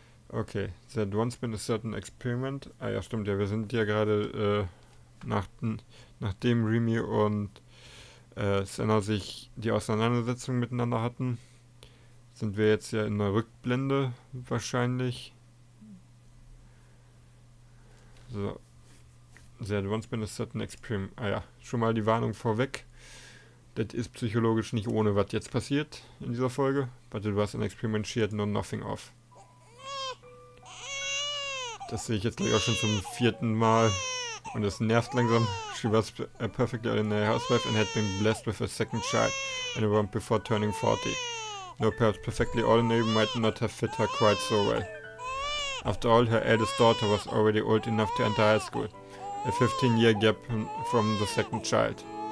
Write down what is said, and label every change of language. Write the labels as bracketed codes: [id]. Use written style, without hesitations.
[en] Okay, that once been a certain experiment. [de] Ah ja, stimmt, ja, wir sind ja gerade nachdem Remy und Senna sich die Auseinandersetzung miteinander hatten, sind wir jetzt ja in der Rückblende wahrscheinlich. [en] So, that once been a certain experiment. [de] Ah ja, schon mal die Warnung vorweg. Das ist psychologisch nicht ohne, was jetzt passiert in dieser Folge. [en] But it was an experiment, she had known nothing of. [de] Das sehe ich jetzt gleich auch schon zum vierten Mal. Und es nervt langsam. [en] She was a perfectly ordinary housewife and had been blessed with a second child and a womb before turning 40. Though perhaps perfectly ordinary might not have fit her quite so well. After all, her eldest daughter was already old enough to enter high school. A 15-year gap from the second child.